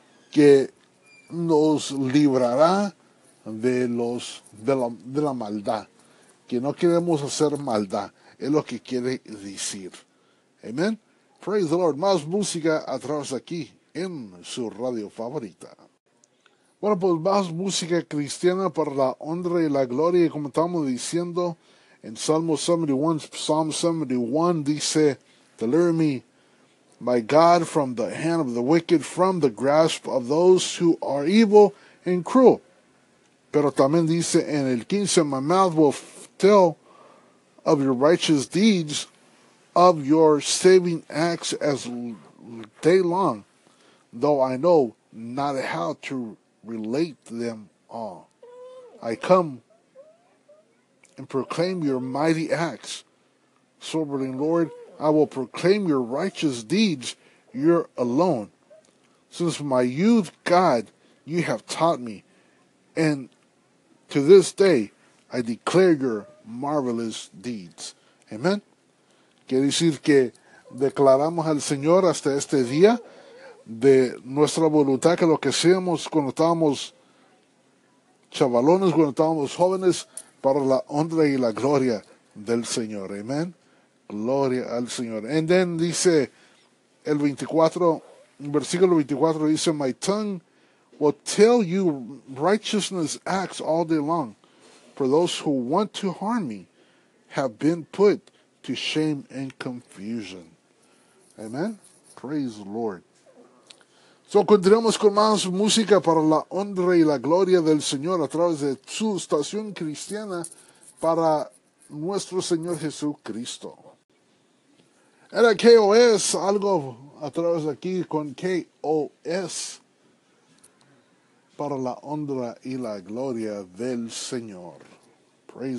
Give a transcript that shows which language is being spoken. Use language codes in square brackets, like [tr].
[es] Que nos librará de la maldad. Que no queremos hacer maldad. Es lo que quiere decir. Amen. [en] Praise the Lord. [es] Más música a través de aquí en su radio favorita. Bueno, pues más música cristiana para la honra y la gloria. Como estamos diciendo en Psalm 71 dice: [en] deliver me, my God, from the hand of the wicked, from the grasp of those who are evil and cruel. [es] Pero también dice en el 15: [en] my mouth will tell of your righteous deeds, of your saving acts as day long, though I know not how to relate them all. I come and proclaim your mighty acts. Sovereign Lord, I will proclaim your righteous deeds, your alone. Since my youth, God, you have taught me, and to this day I declare your marvelous deeds. Amen. [es] Quiere decir que declaramos al Señor hasta este día de nuestra voluntad, que lo que hacíamos cuando estábamos chavalones, cuando estábamos jóvenes, para la honra y la gloria del Señor. Amén. Gloria al Señor. [en] And then [es] dice el 24, versículo 24, dice: [en] my tongue will tell you righteousness acts all day long, for those who want to harm me have been put to shame and confusion. Amén. Praise the Lord. [es] So, continuamos con más música para la honra y la gloria del Señor a través de su estación cristiana para nuestro Señor Jesucristo. Era KOS, algo a través de aquí con KOS para la honra y la gloria del Señor. Praise